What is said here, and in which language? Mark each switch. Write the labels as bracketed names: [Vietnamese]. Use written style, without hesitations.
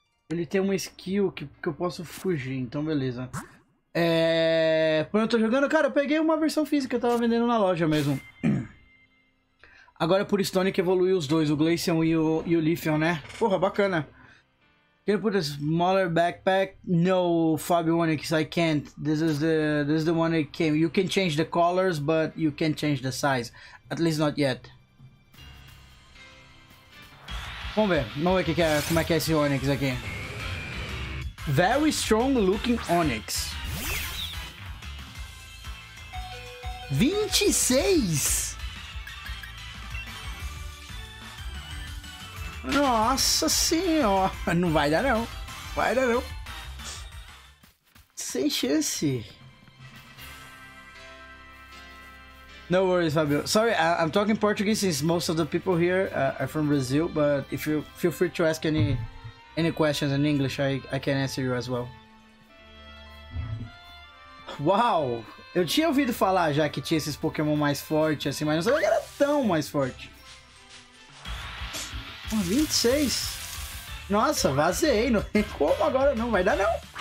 [Portuguese] Ele tem uma skill que eu posso fugir, então beleza. É... Quando eu tô jogando, cara, eu peguei uma versão física, eu tava vendendo na loja mesmo. Agora é por Stone que evoluiu os dois, o Glaceon e o Leafeon, né? Porra, bacana. [English] Can you put a smaller backpack? No, Fabio Onix, I can't. This is the one that came. You can change the colors, but you can't change the size. At least not yet. [Portuguese] Vamos ver como é que é esse Onix aqui. [English] Very strong looking Onix. [Portuguese] 26! Nossa senhora, não vai dar não, vai dar não. Sem chance. [English] No worries, Fabio. Sorry, I'm talking Portuguese since most of the people here are from Brazil, but if you feel free to ask any questions in English, I can answer you as well. [Portuguese] Wow, eu tinha ouvido falar já que tinha esses Pokémon mais fortes, assim, mas não sabia que era tão mais forte. 26. Nossa, vazei. Não tem como agora, não. Vai dar, não.